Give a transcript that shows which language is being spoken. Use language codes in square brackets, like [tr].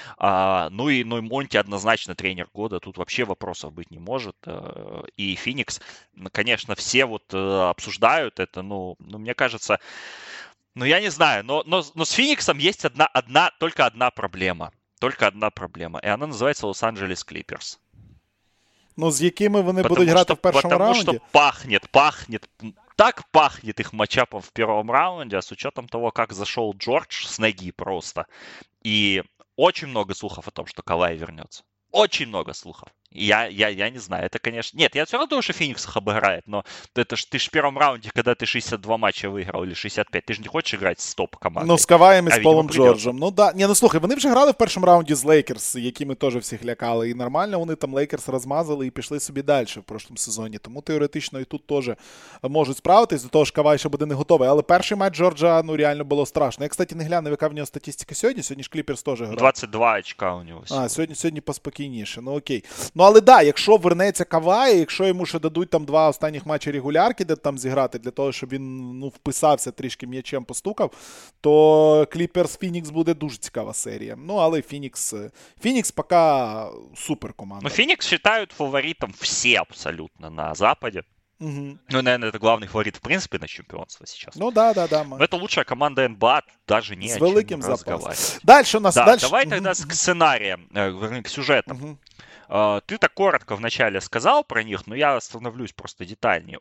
[ru] Ну и Монти однозначно тренер года. Тут вообще вопросов быть не может. И Феникс, конечно, все вот обсуждают это. Ну, мне кажется, ну я не знаю. Но с Фениксом есть только одна проблема. Только одна проблема. И она называется Лос-Анджелес Клиперс. [uk] Ну, з якими вони будуть грати в першому раунді? [ru] Потому что пахнет. Так пахнет их матчапом в первом раунде, с учетом того, как зашел Джордж с ноги просто. И очень много слухов о том, что Кавай вернется. Очень много слухов. Я не знаю. Это, конечно... Нет, я все равно думаю, что Феникс их обыграет. Но это ж ты ж в первом раунде, когда ты 62 матча выиграл или 65, ты же не хочешь играть с топ-командой. Ну, с Каваем и с Полом Джорджем. Ну, да. [uk] Не, ну, слухай, вони вже грали в першому раунді з Лейкерс, які ми теж всіх лякали. І нормально вони там Лейкерс розмазали і пішли собі далі в прошлому сезоні. Тому теоретично і тут теж можуть справитись, до того ж Кавай ще буде не готовий. Але перший матч Джорджа, ну, реально було страшно. Я, кстати, не глянув, яка в нього статистика сьогодні. Сьогодні ж Кліперс теж грав. 22 очка у нього сьогодні. А, сьогодні поспокійніше. Ну, окей. Ну, але да, якщо вернеться Кавай, якщо йому ще дадуть там два останніх матчі регулярки, де там зіграти, для того, щоб він, ну, вписався трішки м'ячем, постукав, то Кліперс-Фінікс буде дуже цікава серія. Ну, але Фінікс поки суперкоманда. Ну, Фінікс вважають фаворитом всі абсолютно на Западі. Угу. [ru] Ну, наверное, это главный фаворит, в принципе, на чемпионство сейчас. Ну, да. Но это лучшая команда НБА, даже не с о чем великим разговаривать. Запас. Дальше у нас... Да, дальше. Давай тогда к сценариям, вернее, к сюжетам. Угу. Ты так коротко вначале сказал про них, но я остановлюсь просто детальнее.